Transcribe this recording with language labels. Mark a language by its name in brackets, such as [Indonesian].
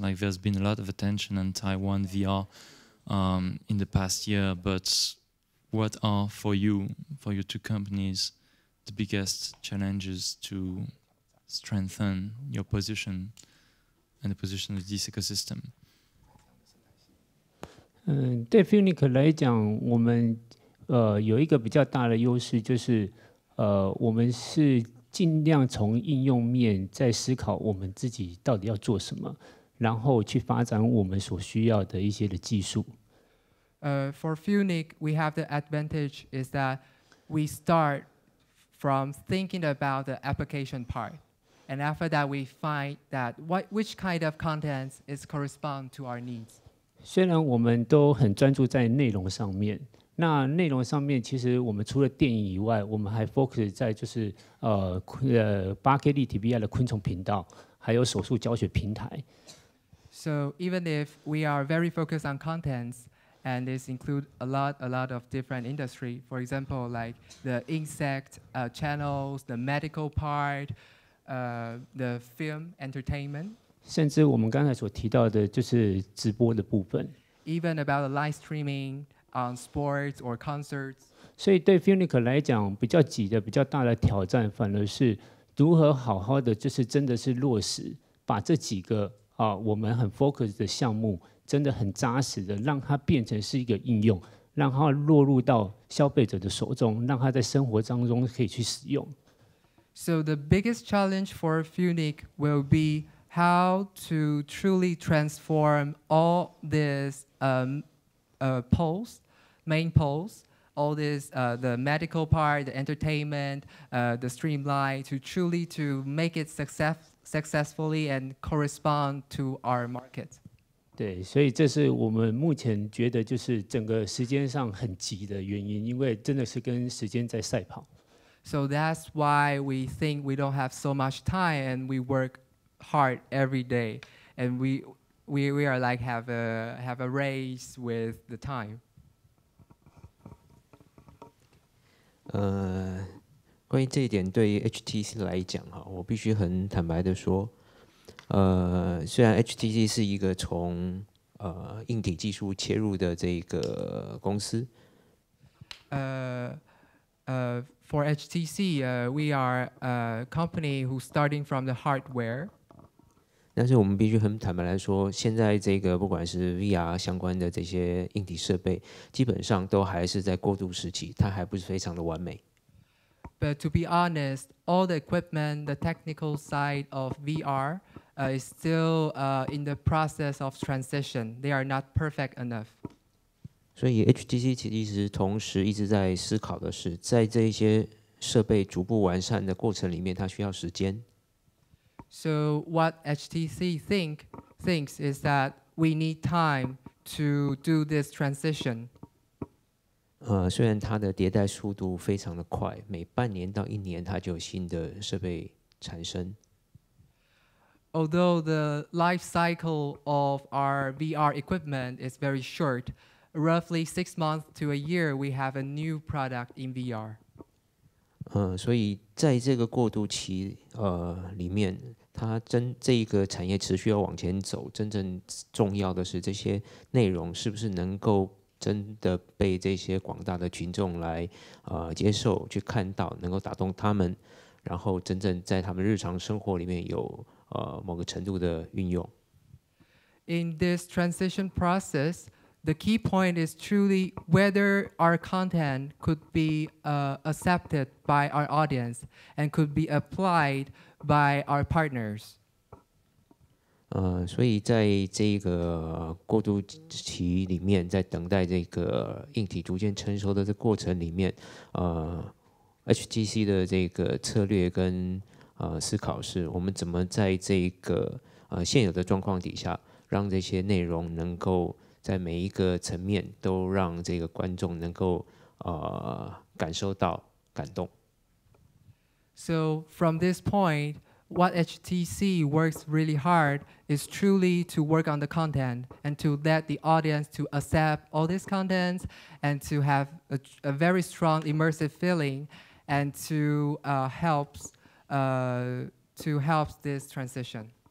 [English] Like, there's been a lot of attention on Taiwan VR in the past year, but what are, for you, for your two companies, the biggest challenges to strengthen your position and the position of this ecosystem? [Chinese] 对 Funique 来讲，我们有一个比较大的优势，就是我们是尽量从应用面在思考我们自己到底要做什么，然后去发展我们所需要的一些的技术。 [English] For Funique, we have the advantage is that we start from thinking about the application part, and after that, we find that which kind of contents is correspond to our needs. [Chinese] 虽然我们都很专注在内容上面，那内容上面其实我们除了电影以外，我们还 focus 在就是8K 立体 VR 的昆虫频道，还有手术教学平台。 [English] So even if we are very focused on contents and this include a lot of different industry, for example, like the insect channels, the medical part, the film entertainment. [Chinese] 甚至我们刚才所提到的就是直播的部分 [English] even about the live streaming on sports or concerts [Chinese] 所以对 Funique 来讲比较挤的比较大的挑战反而是如何好好的就是真的是落实把这几个我们很 focus 的项目真的很扎实的让它变成是一个应用让它落入到消费者的手中让它在生活当中可以去使用 [English] So the biggest challenge for Funique will beHow to truly transform all these poles, main poles, all this, the medical part, the entertainment, the streamline, to truly to make it successfully and correspond to our market. [Chinese] 对，所以这是我们目前觉得就是整个时间上很急的原因，因为真的是跟时间在赛跑。 [English] So that's why we think we don't have so much time and we work. Hard every day, and we are like have a race with the time. [Chinese] 关于这一点，对于 HTC 来讲哈，我必须很坦白的说，虽然 HTC 是一个从硬体技术切入的这个公司。 [English] For HTC, we are a company who starting from the hardware. [Chinese] 但是我们必须很坦白来说，现在这个不管是 VR 相关的这些硬体设备，基本上都还是在过渡时期，它还不是非常的完美。 [English] But to be honest, all the equipment, the technical side of VR, is still in the process of transition. They are not perfect enough. [Chinese] 所以 HTC 其实同时一直在思考的是，在这些设备逐步完善的过程里面，它需要时间。 [English] So what HTC thinks is that we need time to do this transition. [Chinese] 虽然它的迭代速度非常的快，每半年到一年它就有新的设备产生。 [English] Although the life cycle of our VR equipment is very short, roughly 6 months to a year, we have a new product in VR. [Chinese] 所以在这个过渡期里面。它真这一个产业持续要往前走，真正重要的是这些内容是不是能够真的被这些广大的群众来接受、去看到，能够打动他们，然后真正在他们日常生活里面有某个程度的运用。 [English] In this transition process, the key point is truly whether our content could be accepted by our audience and could be applied. By our partners. [Chinese] 所以在这个过渡期里面，在等待这个硬体逐渐成熟的这过程里面，HTC 的这个策略跟思考是，我们怎么在这个现有的状况底下，让这些内容能够在每一个层面都让这个观众能够感受到感动。 [English] So from this point, what HTC works really hard is truly to work on the content and to let the audience to accept all this content and to have a very strong immersive feeling and to help this transition.